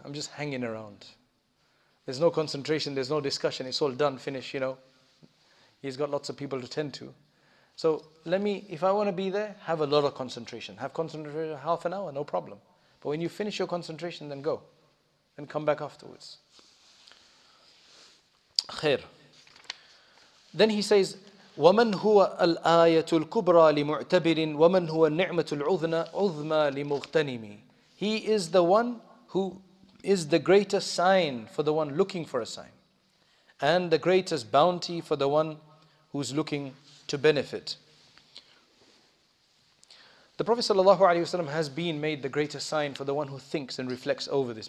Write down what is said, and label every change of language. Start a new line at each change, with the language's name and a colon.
English: I'm just hanging around. There's no concentration, there's no discussion. It's all done, finished, you know. He's got lots of people to tend to. So if I want to be there, have a lot of concentration. Have concentration half an hour, no problem. But when you finish your concentration, then go. And come back afterwards. Khair. Then he says,
Arabic: وَمَنْ هُوَ الْآيَةُ الْكُبْرَى لِمُعْتَبِرٍ وَمَنْ هُوَ النِّعْمَةُ الْعُذْنَى عُذْمَى لِمُغْتَنِمِ.
English: He is the one who is the greatest sign for the one looking for a sign, and the greatest bounty for the one who's looking to benefit. The Prophet ﷺ has been made the greatest sign for the one who thinks and reflects over this.